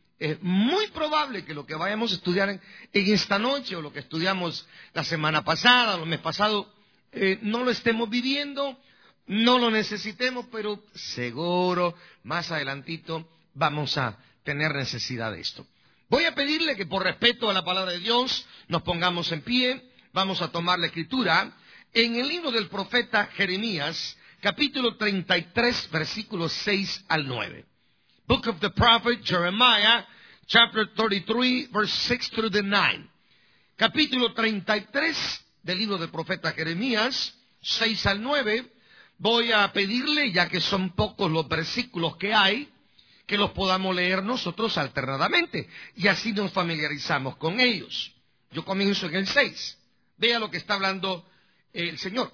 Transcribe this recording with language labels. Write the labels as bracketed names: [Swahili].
[Spanish] Es muy probable que lo que vayamos a estudiar en esta noche, o lo que estudiamos la semana pasada, o el mes pasado, no lo estemos viviendo, no lo necesitemos, pero seguro, más adelantito, vamos a tener necesidad de esto. Voy a pedirle que por respeto a la Palabra de Dios nos pongamos en pie. Vamos a tomar la Escritura en el libro del profeta Jeremías, capítulo 33, versículos 6 al 9. [English] Book of the Prophet Jeremiah, chapter 33, verse 6 through the 9. [Spanish] Capítulo 33 del libro del profeta Jeremías, 6 al 9. Voy a pedirle, ya que son pocos los versículos que hay, que los podamos leer nosotros alternadamente, y así nos familiarizamos con ellos. Yo comienzo en el 6. Vea lo que está hablando el Señor.